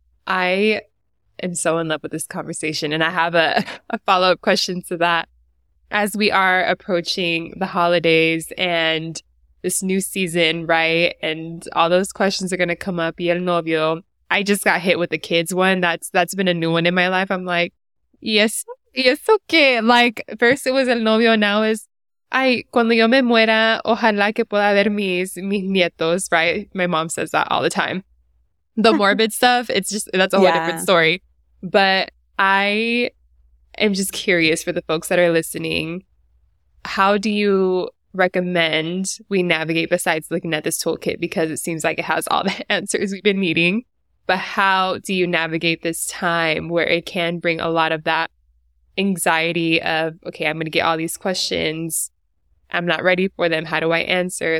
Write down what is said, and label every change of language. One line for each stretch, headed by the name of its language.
English: I am so in love with this conversation, and I have a follow-up question to that. As we are approaching the holidays and this new season, right, and all those questions are going to come up,
Spanish: y el novio,
English: I just got hit with the kids one. That's been a new one in my life. I'm like, yes, yes, okay. Like, first it was
Spanish: el novio,
English: now is,
Spanish: ay, cuando yo me muera, ojalá que pueda ver mis nietos,
English: right? My mom says that all the time. The morbid stuff, it's just, that's a whole different story. But I am just curious for the folks that are listening, how do you recommend we navigate besides looking at this toolkit? Because it seems like it has all the answers we've been needing. But how do you navigate this time where it can bring a lot of that anxiety of, okay, I'm going to get all these questions. I'm not ready for them. How do I answer?